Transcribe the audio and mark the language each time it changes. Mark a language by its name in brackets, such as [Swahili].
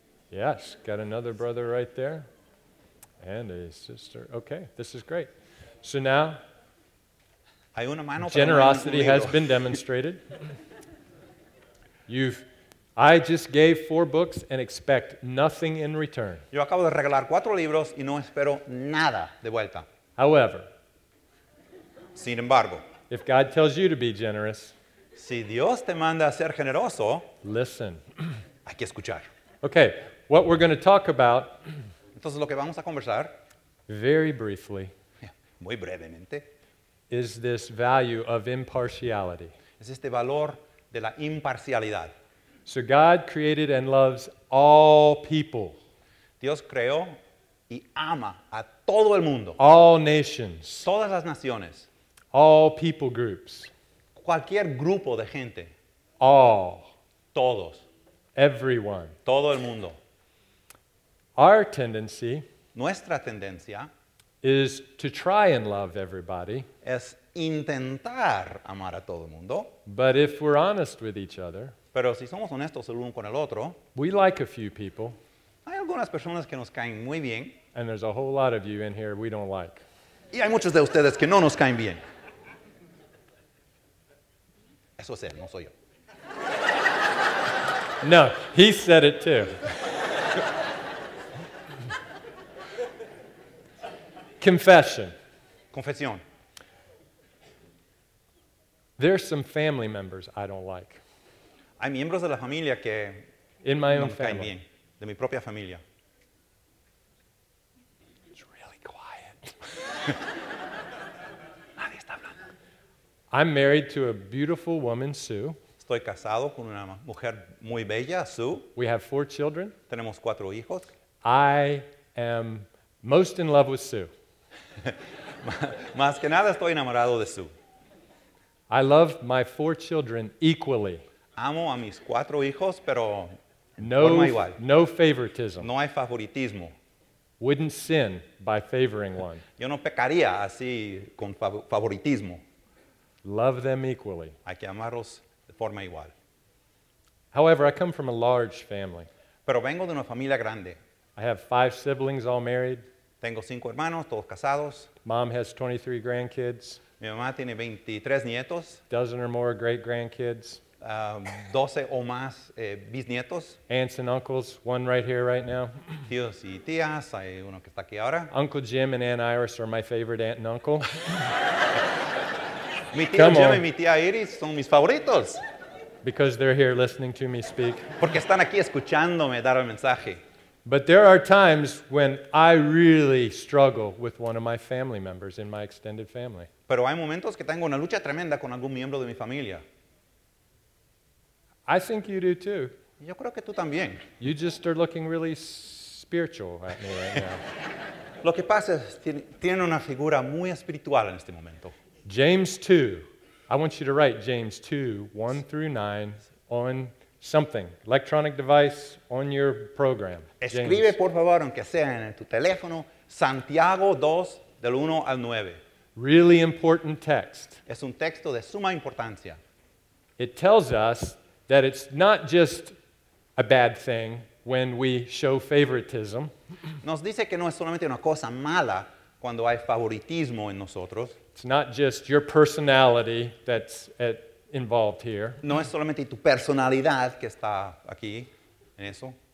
[English] Yes, got another brother right there. And a sister. Okay, this is great. So now, generosity has been demonstrated. I just gave 4 books and expect nothing in return. [Spanish] Yo acabo de regalar 4 libros y no espero nada de vuelta. [English] However, [Spanish] sin embargo, [English] if God tells you to be generous, [Spanish] si Dios te manda a ser generoso, [English] listen. [Spanish] Hay que escuchar. [English] Okay, what we're going to talk about, [Spanish] entonces lo que vamos a conversar, [English] very briefly, [Spanish] muy brevemente, [English] is this value of impartiality. [Spanish] Es este valor de la imparcialidad. [English] So God created and loves all people. [Spanish] Dios creó y ama a todo el mundo. [English] All nations. [Spanish] Todas las naciones. [English] All people groups. [Spanish] Cualquier grupo de gente. [English] All. [Spanish] Todos. [English] Everyone. [Spanish] Todo el mundo. [English] Our tendency. [Spanish] Nuestra tendencia. [English] Is to try and love everybody. [Spanish] Es intentar amar a todo el mundo. [English] But if we're honest with each other. [Spanish] Pero si somos honestos el uno con el otro. [English] We like a few people. [Spanish] Hay algunas personas que nos caen muy bien. [English] And there's a whole lot of you in here we don't like. [Spanish] Y hay muchos de ustedes que no nos caen bien. Eso es él, no soy yo. [English] No, he said it too. Confession. [Spanish] Confesión. [English] There are some family members I don't like. [Spanish] Hay miembros de la familia que [English] in my own [Spanish] no caen [English] family. [Spanish] Bien, de mi propia familia. [English] It's really quiet. [Spanish] Nadie está hablando. [English] I'm married to a beautiful woman, Sue. [Spanish] Estoy casado con una mujer muy bella, Sue. [English] We have 4 children. [Spanish] Tenemos 4 hijos. [English] I am most in love with Sue. [Spanish] Más que nada estoy enamorado de Sue. [English] I love my 4 children equally. [Spanish] Amo a mis 4 hijos, pero no, igual. [English] No favoritism. [Spanish] No hay favoritismo. [English] Wouldn't sin by favoring one. [Spanish] Yo no pecaría así con favoritismo. [English] Love them equally. [Spanish] Hay que amarlos de forma igual. [English] However, I come from a large family. [Spanish] Pero vengo de una familia grande. [English] I have 5 siblings all married. [Spanish] Tengo 5 hermanos, todos casados. [English] Mom has 23 grandkids. [Spanish] Mi mamá tiene 23 nietos. [English] Dozen or more great grandkids. [Spanish] 12 o más bisnietos. [English] Aunts and uncles, one right here right now. [Spanish] Tíos y tías, hay uno que está aquí ahora. [English] Uncle Jim and Aunt Iris are my favorite aunt and uncle. [Spanish] Mi tío [English] Come Jim on. [Spanish] Y mi tía Iris son mis favoritos. [English] Because they're here listening to me speak. [Spanish] Porque están aquí escuchándome dar el mensaje. [English] But there are times when I really struggle with one of my family members in my extended family. [Spanish] Pero hay momentos que tengo una lucha tremenda con algún miembro de mi familia. [English] I think you do too. [Spanish] Yo creo que tú también. [English] You just are looking really spiritual at me right now. [Spanish] Lo que pasa es tiene una figura muy espiritual en este momento. [English] James 2. I want you to write James 2, 1 through 9 on something, electronic device on your program. [Spanish] Escribe James. Por favor aunque sea en tu teléfono Santiago 2 del 1 al 9. [English] Really important text. [Spanish] Es un texto de suma importancia. [English] It tells us that it's not just a bad thing when we show favoritism. [Spanish] Nos dice que no es solamente una cosa mala cuando hay favoritismo en nosotros. [English] It's not just your personality that's involved here. [Spanish] No es solamente tu personalidad que está aquí en eso.